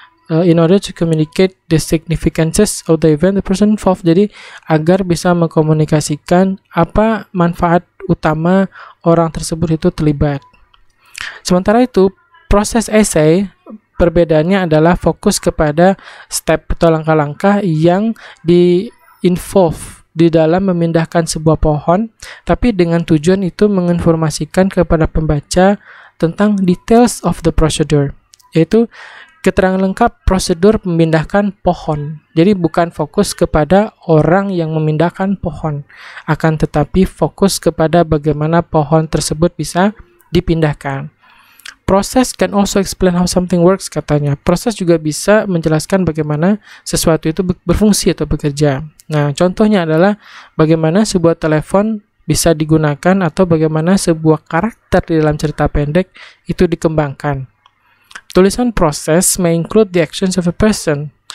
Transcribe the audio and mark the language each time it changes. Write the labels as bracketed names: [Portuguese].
[English] in order to communicate the significances of the event the person involved. [Indonesian] Jadi agar bisa mengkomunikasikan apa manfaat utama orang tersebut itu terlibat. Sementara itu, proses essay perbedaannya adalah fokus kepada step atau langkah-langkah yang di-involve di dalam memindahkan sebuah pohon, tapi dengan tujuan itu menginformasikan kepada pembaca tentang [English] details of the procedure, [Indonesian] yaitu keterangan lengkap prosedur memindahkan pohon. Jadi bukan fokus kepada orang yang memindahkan pohon, akan tetapi fokus kepada bagaimana pohon tersebut bisa dipindahkan. [English] Process can also explain how something works, [Indonesian] katanya. Proses juga bisa menjelaskan bagaimana sesuatu itu berfungsi atau bekerja. Nah, contohnya adalah bagaimana sebuah telepon bisa digunakan atau bagaimana sebuah karakter di dalam cerita pendek itu dikembangkan. Tulisan proses [English] may include the actions of a person.